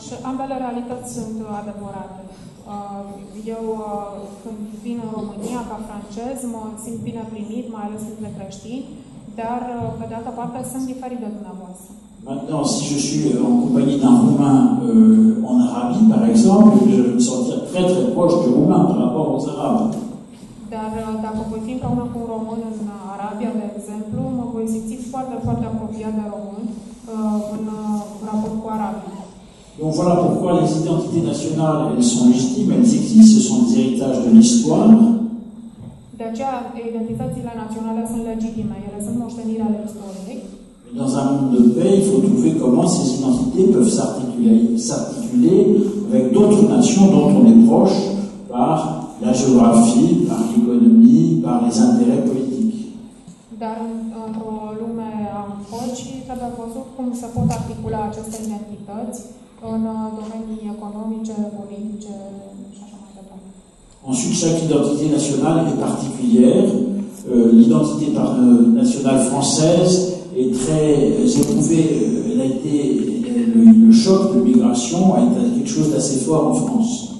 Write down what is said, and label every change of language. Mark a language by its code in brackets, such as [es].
[ro] Ambele [fr] réalités sont [ro] adevărate. Eu, când vin în România ca francez, mă simt bine primit, mai ales între creștini, dar, pe de altă parte, sunt diferit de dumneavoastră. [fr] Maintenant, si je suis en compagnie d'un Roumain en Arabie, par exemple, je vais me sentir très très proche du Roumain par rapport aux Arabes. [ro] Dar dacă voi fi împreună cu un român în Arabia, de exemplu, mă voi simți foarte, foarte apropiat de român în raport cu Arabia. [fr] Donc voilà pourquoi les identités nationales, elles sont légitimes, elles existent, ce sont des héritages de l'histoire. [ro] De aceea, identitățile naționale sunt legitime, ele sunt moștenire ale istoriei. [fr] Dans un monde de paix, il faut trouver comment ces identités peuvent s'articuler avec d'autres nations dont on est proche par la géographie, par l'économie, par les intérêts politiques. [ro] Dar într-o lume a păcii, trebuie văzut cum se pot articula aceste identități în domenii economice, politice și așa mai departe. [fr] Ensuite, chaque identité nationale est particulière. L'identité nationale française est très éprouvée, elle a été le choc de migration a été quelque chose d'assez fort en France.